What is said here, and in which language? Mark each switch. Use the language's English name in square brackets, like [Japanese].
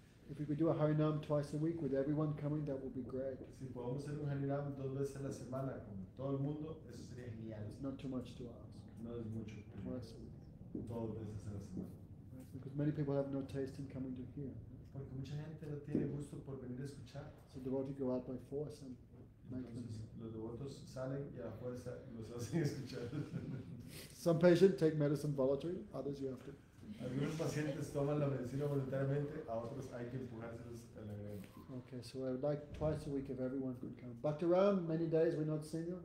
[English] If we could do a Harinam twice a week with everyone coming, that would be great. [Spanish] Si podemos hacer un Harinam dos veces a la semana con todo el mundo, eso sería genial. [English] It's not too much to ask. [Spanish] No es mucho. [English] Twice a week. [Spanish] Dos veces a la semana. [English] Right? Because many people have no taste in coming to hear. [Spanish] Porque mucha gente no tiene gusto por venir a escuchar. [English] So devotees go out by force and make them. [Spanish] Los devotos salen y a la fuerza los hacen escuchar. [English] Some patients take medicine voluntarily, others you have to. [Spanish] Algunos pacientes toman la medicina voluntariamente, a otros hay que empujárselos a la gente. [English] Okay, so I would like twice a week if everyone could come. Bhakti Ram, many days we're not seeing you.